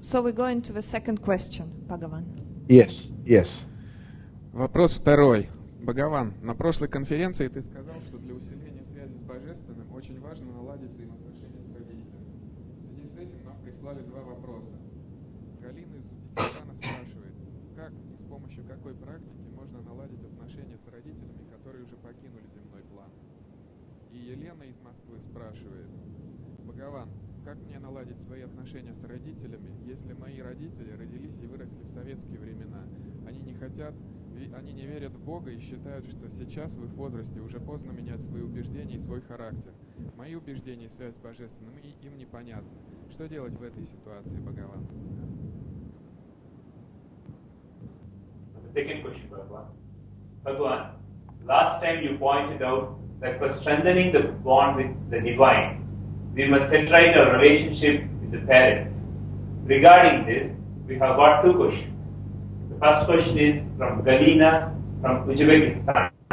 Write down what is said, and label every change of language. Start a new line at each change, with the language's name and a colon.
English: So we're going to the second question, Bhagavan. Yes, yes.
Russian: Вопрос второй. Бхагаван, на прошлой конференции ты сказал, что для усиления связи с Божественным очень важно наладить взаимоотношения с родителями. В связи с этим нам прислали два вопроса. Галина из Узбекистана спрашивает, как и с помощью какой практики можно наладить отношения с родителями, которые уже покинули земной план? И Елена из Москвы спрашивает, Бхагаван, как мне наладить свои отношения с родителями, если мои родители родились и выросли в советские времена? Они не хотят... Они не верят в Бога и считают, что сейчас в их возрасте уже поздно менять свои убеждения и свой характер. Мои убеждения и связь с Божественным им непонятны. Что делать в этой ситуации, Бхагаван?
English: Second question, Бхагаван. Last time you pointed out that for strengthening the bond with the divine, we must centralize our relationship with the parents. Regarding this, we have got two questions. First question is from Galina from Uzbekistan.